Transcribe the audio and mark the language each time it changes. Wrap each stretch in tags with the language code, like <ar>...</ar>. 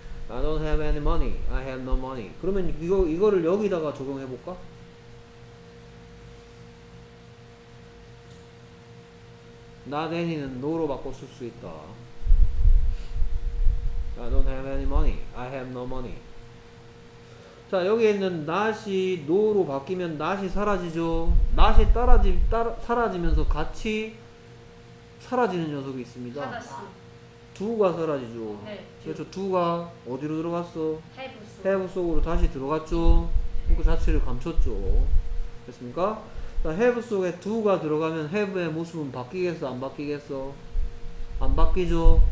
<en>I don't have any money. I have no money.</en> <ko>그러면 이거를 여기다가 적용해볼까? 나 대니는 no로 바꿔 쓸 수 있다.</ko> <en>I don't have any money. I have no money.</en> <ko>자, 여기에 있는 not이 no로 바뀌면 not이 사라지죠. not이 사라지면서 같이 사라지는 녀석이 있습니다. 두가 사라지죠. 네, 그렇죠. 두가 어디로 들어갔어? 해부 속으로 다시 들어갔죠. 네. 그 자체를 감췄죠. 됐습니까? 자, have 속에 do가 들어가면 have의 모습은 바뀌겠어? 안 바뀌겠어? 안 바뀌죠?</ko>